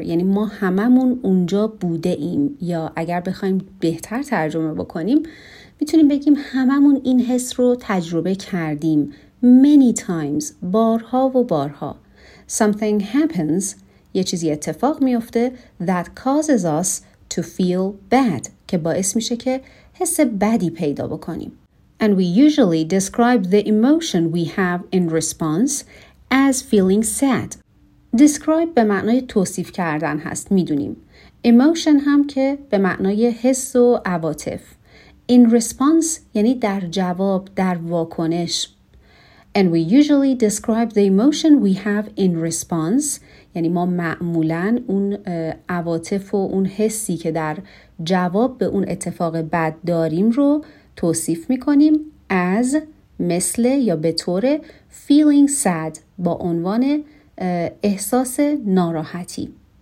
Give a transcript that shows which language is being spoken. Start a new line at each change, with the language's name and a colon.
Persian: یعنی ما هممون اونجا بوده ایم. یا اگر بخوایم بهتر ترجمه بکنیم میتونیم بگیم هممون این حس رو تجربه کردیم.
English: Many times.
Persian: بارها و بارها.
English: Something happens.
Persian: یه چیزی اتفاق میفته
English: that causes us to feel bad.
Persian: که باعث میشه که حس بدی پیدا بکنیم.
English: And we usually describe the emotion we have in response as feeling sad.
Persian: Describe به معنای توصیف کردن هست میدونیم. Emotion هم که به معنای حس و عواطف.
English: In response
Persian: یعنی در جواب، در واکنش.
English: And we usually describe the emotion we have in response.
Persian: یعنی ما معمولاً اون عواطف و اون حسی که در جواب به اون اتفاق بد داریم رو توصیف میکنیم از مثل یا به طور
English: feeling sad
Persian: با عنوان احساس ناراحتی.